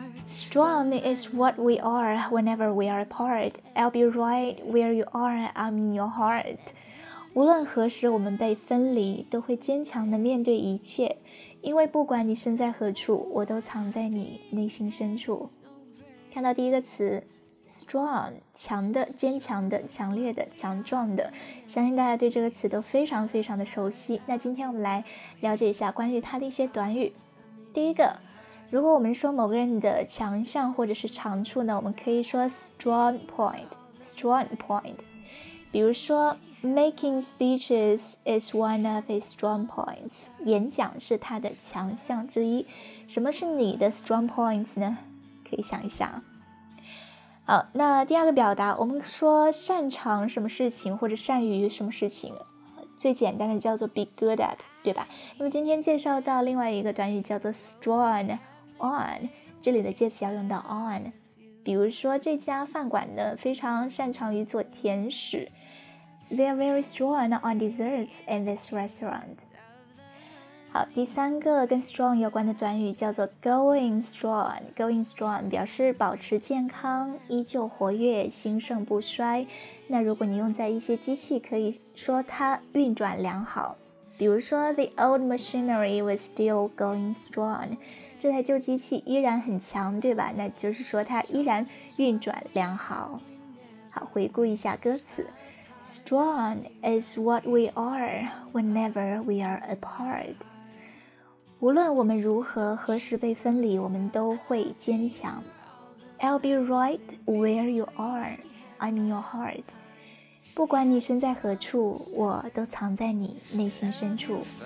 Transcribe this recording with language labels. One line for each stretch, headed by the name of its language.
English: Strong is what we are whenever we are apart. I'll be right where you are, I'm in your heart.
Chinese: 无论何时我们被分离，都会坚强地面对一切，因为不管你身在何处，我都藏在你内心深处。看到第一个词 strong， 强的，坚强的，强烈的，强壮的，相信大家对这个词都非常非常的熟悉。那今天我们来了解一下关于它的一些短语。第一个，如果我们说某个人的强项或者是长处呢，我们可以说 strong point， strong point。比如说
English: making speeches is one of his strong points，
Chinese: 演讲是他的强项之一。什么是你的 strong points 呢？可以想一想。好，那第二个表达，我们说擅长什么事情或者善于什么事情，最简单的叫做 be good at， 对吧？那么今天介绍到另外一个短语叫做 strong on， 这里的介词要用到 on。比如说这家饭馆呢非常擅长于做甜食，
English: They are very strong on desserts in this restaurant。
Chinese: 好，第三个跟 strong 有关的短语叫做 going strong。 going strong 表示保持健康，依旧活跃，兴盛不衰。那如果你用在一些机器，可以说它运转良好，比如说
English: The old machinery was still going strong，
Chinese: 这台旧机器依然很强，对吧？那就是说它依然运转良好。好，回顾一下歌词，
English: Strong is what we are whenever we are apart，
Chinese: 无论我们如何，何时被分离，我们都会坚强。
English: I'll be right where you are， I'm in your heart，
Chinese: 不管你身在何处，我都藏在你内心深处。